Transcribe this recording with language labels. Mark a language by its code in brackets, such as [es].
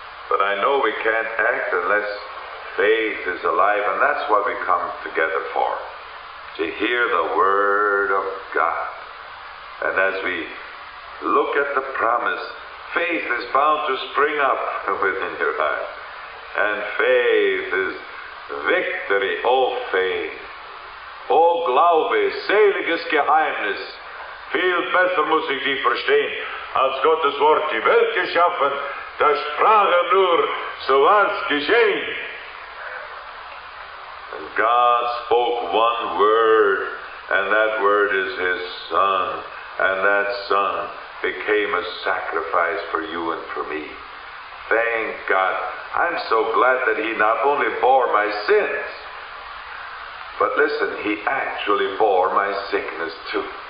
[en] But I know we can't act unless faith is alive, and that's what we come together for, to hear the word of God. And as we look at the promise, faith is bound to spring up within your heart. And faith is victory, oh faith. [de] O Glaube, seliges Geheimnis, viel besser muss ich dich verstehen, als Gottes Wort die Welt geschaffen, der Sprache nur, so was geschehen. [en] And God spoke one word, and that word is his Son, and that Son became a sacrifice for you and for me. Thank God. I'm so glad that he not only bore my sins, but listen, he actually bore my sickness too.